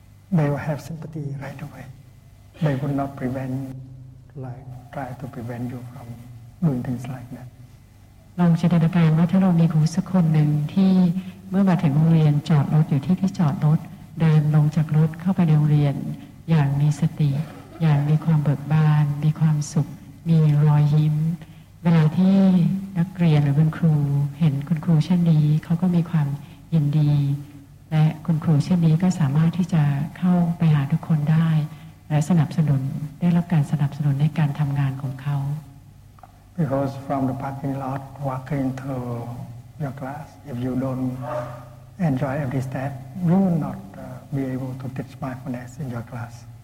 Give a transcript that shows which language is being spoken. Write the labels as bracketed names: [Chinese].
[English] They will have sympathy right away. They will not prevent, like try to prevent you from doing things like that. [Thai] ลองจินตนาการว่าถ้าเรามีครูสักคนหนึ่งที่เมื่อมาถึงโรงเรียนจอดรถอยู่ที่จอดรถเดินลงจากรถเข้าไปในโรงเรียนอย่างมีสติอย่างมีความเบิกบานมีความสุขมีรอยยิ้มเวลาที่นักเรียนหรือคุณครูเห็นคุณครูเช่นนี้เขาก็มีความยินดีและคุณครูเช่นนี้ก็สามารถที่จะเข้าไปหาทุกคนได้และสนับสนุนได้รับการสนับสนุนในการทำงานของเขา [English] Because from the parking lot walking to your class if you don't and your every step, you will not be able to teach mindfulness in your class.